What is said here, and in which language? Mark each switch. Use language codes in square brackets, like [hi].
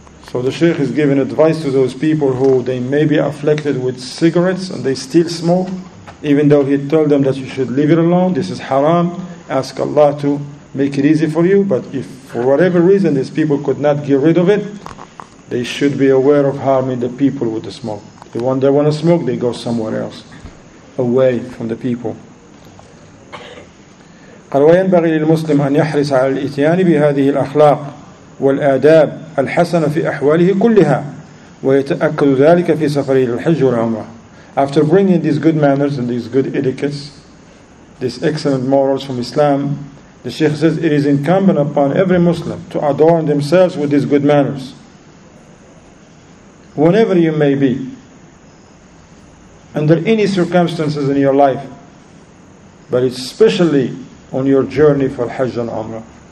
[en] So the Sheikh is giving advice to those people who they may be afflicted with cigarettes and they still smoke, even though he told them that you should leave it alone, this is haram, ask Allah to make it easy for you. But if for whatever reason these people could not get rid of it, they should be aware of harming the people with the smoke. The one they want to smoke, they go somewhere else, away from the people. [ar] قال وينبغي للمسلم أن يحرص على الإتيان بهذه الأخلاق والآداب الحسنة في أحواله كلها ويتأكد ذلك في سفره للحج والعمرة. [en] After bringing these good manners and these good etiquettes, these excellent morals from Islam, the Sheikh says it is incumbent upon every Muslim to adorn themselves with these good manners whenever you may be, under any circumstances in your life, but especially on your journey for Hajj and Umrah.